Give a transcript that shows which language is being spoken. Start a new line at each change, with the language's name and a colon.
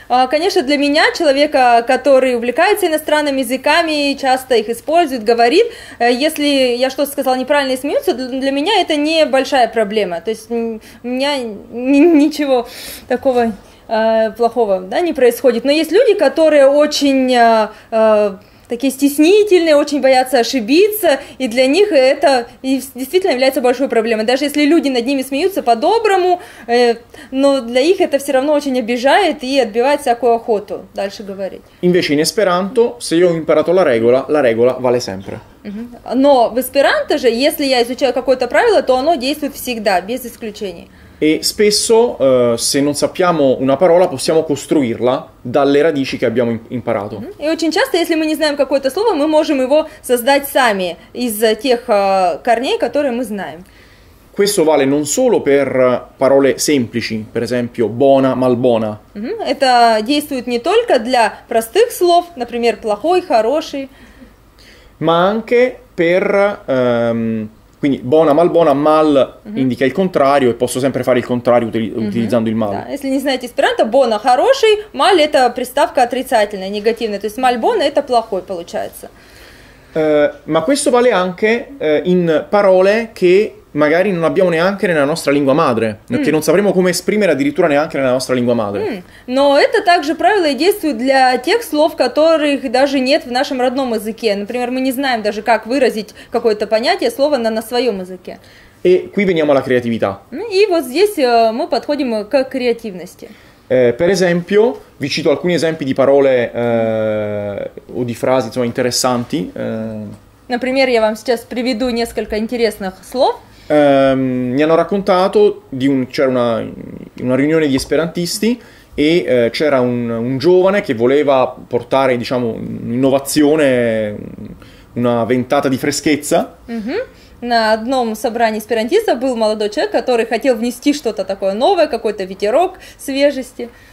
Russian: Конечно, для меня, человека, который увлекается иностранными языками, часто их использует, говорит, если я что-то сказала неправильно и смеются, для меня это не большая проблема. То есть у меня ничего такого плохого, да, не происходит. Но есть люди, которые очень такие стеснительные, очень боятся ошибиться, и для них это действительно является большой проблемой. Даже если люди над ними смеются по-доброму, но для них это все равно очень обижает и отбивает всякую охоту дальше говорить.
Italian: Invece in esperanto, se io ho imparato la regola vale sempre.
Russian: Но в эсперанто же, если я изучаю какое-то правило, то оно действует всегда, без исключений.
Italian: E spesso, se non sappiamo una parola, possiamo costruirla dalle radici che abbiamo imparato.
Russian: E очень часто, если мы не знаем какое-то слово, мы можем его создать сами из тех корней, которые мы знаем.
Italian: Questo vale non solo per parole semplici, per esempio buona, malbona.
Russian: Это действует не только для простых слов, например, плохой, хороший.
Italian: Ma anche per quindi buona, malbona, mal indica il contrario e posso sempre fare il contrario utilizzando il mal.
Russian: Да, если не знаете эсперанто, buona – хороший, mal – это приставка отрицательная, негативная. То есть malbona – это плохой, получается.
Italian: Ma questo vale anche in parole che magari non abbiamo neanche nella nostra lingua madre, che non sapremo come esprimere addirittura neanche nella nostra lingua madre.
Russian: Но это также правило и действует для тех слов, которых даже нет в нашем родном языке. Например, мы не знаем даже, как выразить какое-то понятие, слово на своем языке.
Italian: E qui veniamo alla creatività.
Russian: И вот здесь мы подходим к креативности.
Italian: Per esempio, vi cito alcuni esempi di parole o di frasi, insomma, interessanti.
Russian: Например, я вам сейчас приведу несколько интересных слов.
Italian: Mi hanno raccontato di c'era una riunione di esperantisti e c'era un giovane che voleva portare, diciamo, un'innovazione, una ventata di freschezza.
Russian: На одном собрании эсперантистов был молодой человек, который хотел внести что-то такое новое, какой-то ветерок свежести.